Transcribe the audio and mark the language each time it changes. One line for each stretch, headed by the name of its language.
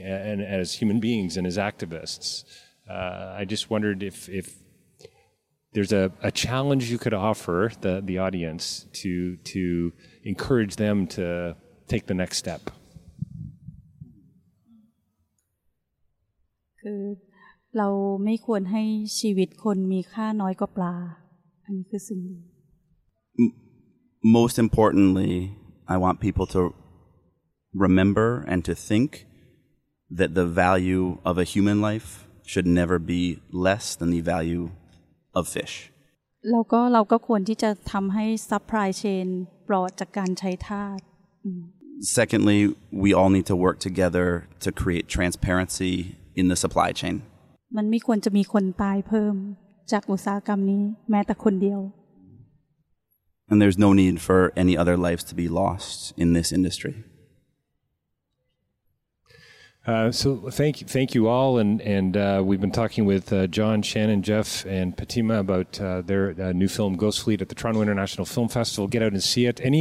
English: And as human beings and as activists, I just wondered if there's a challenge you could offer the audience to encourage them to take the next step. Good.
Thai: เราไม่ควรให้ชีวิตคนมีค่าน้อยกว่าปลาอันนี้คือสิ่ง
English: Most importantly, I want people to remember and to think that the value of a human life should never be less than the value of fish.
Thai: เราก็ควรที่จะทําให้ supply chain ปลอดจากการใช้ทาส
English: Secondly, we all need to work together to create transparency in the supply chain.
Thai: มันไม่ควรจะมีคนตายเพิ่มจากอุตสาหกรรมนี้แม้แต่คนเดียว
English: And there's no need for any other lives to be lost in this industry. So thank you all, and we've been talking with John, Shannon, Jeff, and Patima about their new film Ghost Fleet at the Toronto International Film Festival. Get out and see it.